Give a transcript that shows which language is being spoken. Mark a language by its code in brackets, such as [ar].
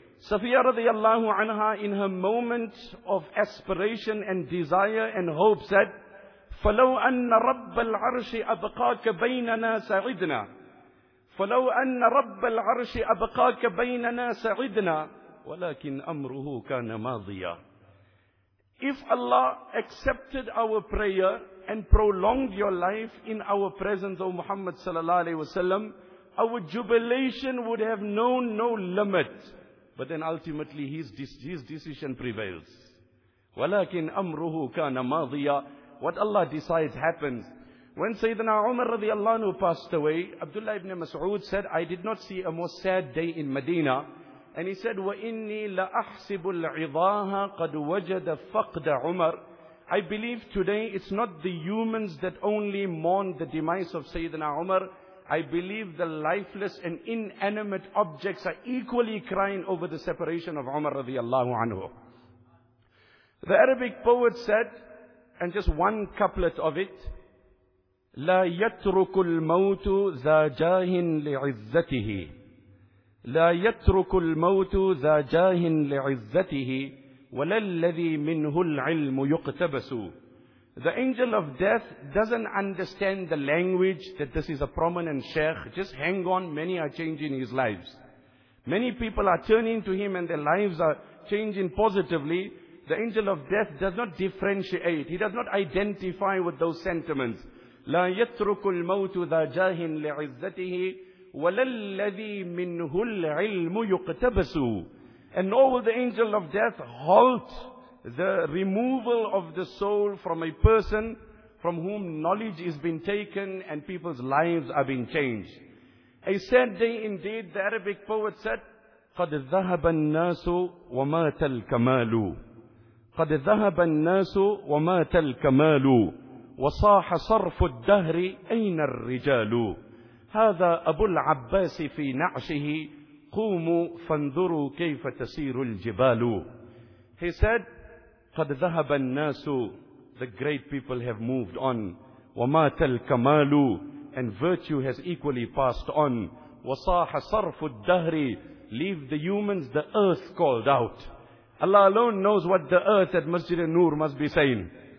[en] Safiya radiallahu anha, in her moment of aspiration and desire and hope, said, [ar] فَلَوْ أَنَّ رَبَّ الْعَرْشِ أَبْقَاكَ بَيْنَنَا سَعِدْنَا فَلَوْ أَنَّ رَبَّ الْعَرْشِ أَبْقَاكَ بَيْنَنَا سَعِدْنَا وَلَكِنْ أَمْرُهُ كَانَ مَاضِيًا. [en] If Allah accepted our prayer and prolonged your life in our presence, O Muhammad sallallahu alaihi wasallam, our jubilation would have known no limit. But then ultimately his decision prevails. [ar] وَلَكِنْ أَمْرُهُ كَانَ مَاضِيًا. [en] What Allah decides happens. When Sayyidina Umar radiallahu anhu passed away, Abdullah ibn Mas'ud said, I did not see a more sad day in Medina. And he said, [ar] وَإِنِّي لَأَحْسِبُ الْعِضَاهَ قَدْ وَجَدَ فَقْدَ عُمَرَ. [en] I believe today it's not the humans that only mourn the demise of Sayyidina Umar. I believe the lifeless and inanimate objects are equally crying over the separation of Umar radiallahu anhu. The Arabic poet said, and just one couplet of it, [ar] لا يترك الموت ذا جاه لعزته لا يترك الموت ذا جاه لعزته ولا الذي منه العلم يقتبس. [en] The angel of death doesn't understand the language that this is a prominent sheikh. Just hang on, many are changing his lives. Many people are turning to him and their lives are changing positively. The angel of death does not differentiate. He does not identify with those sentiments. [ar] لا يترك الموت ذا جاه لعزته ولا الذي منه العلم يقتبس. [en] And nor will the angel of death halt the removal of the soul from a person from whom knowledge is being taken and people's lives are being changed. A sad day indeed, the Arabic poet said, [ar] قد ذهب الناس ومات الكمال قد ذهب الناس ومات الكمال وصاح صرف الدهر أين الرجال هذا أبو العباس في نعشه قوموا فانظروا كيف تسير الجبال. [en] He said, [ar] قد ذهب الناس, [en] the great people have moved on, [ar] ومات الكمال, [en] and virtue has equally passed on, [ar] وصاح صرف الدهر, [en] leave the humans, the earth called out. Allah alone knows what the earth at Masjid al-Nur must be saying.